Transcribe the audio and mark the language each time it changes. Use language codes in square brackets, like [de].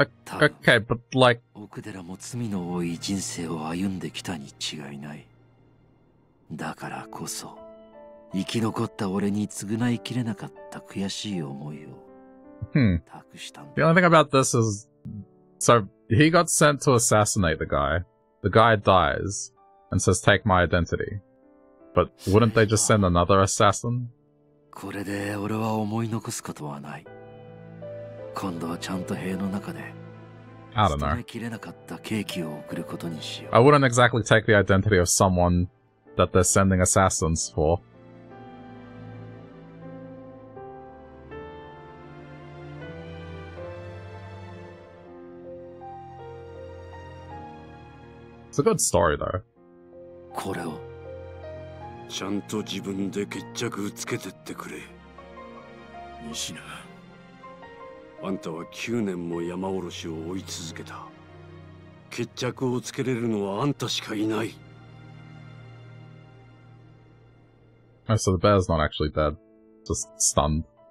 [en] Okay, but like, [ja] 奥寺も罪の多い人生を歩んできたに違いない。だからこそ生き残った俺に償いきれなかった悔しい思いを託したんだ。 [en] The only thing about this is, so he got sent to assassinate the guy. The guy dies. And says, take my identity. But wouldn't they just send another assassin? [ja] これで俺は思い残すことはない。今度はちゃんと塀の中で捨てきれなかったケーキを送ることにしよう。 [en] I wouldn't exactly take the identity of someone that they're sending assassins for. It's a good story, though. [ja] これをちゃんと自分で決着つけてってくれ。仁科、あんたは9年も山おろしを追い続けた。決着をつけれるのはあんたしかいない。 [en] So the bear's not actually dead, just stunned.